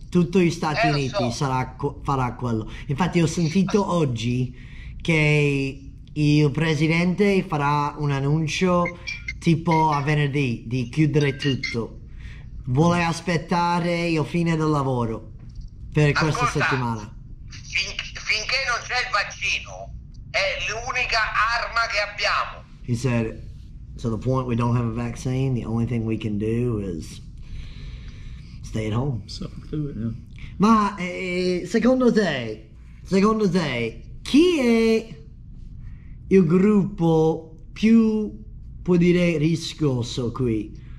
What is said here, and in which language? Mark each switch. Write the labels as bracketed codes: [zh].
[it] Tutti gli Stati Uniti farà quello. Infatti ho sentito oggi che il presidente farà un annuncio tipo a venerdì di chiudere tutto. Vuole aspettare il fine del lavoro per questa settimana. Finché non c'è il vaccino è l'unica arma che abbiamo. [en] He said, to the point we don't have a vaccine, the only thing we can do is stay at home. So, through it, yeah. [it] Ma secondo te, chi è il gruppo più, puoi dire, rischioso qui?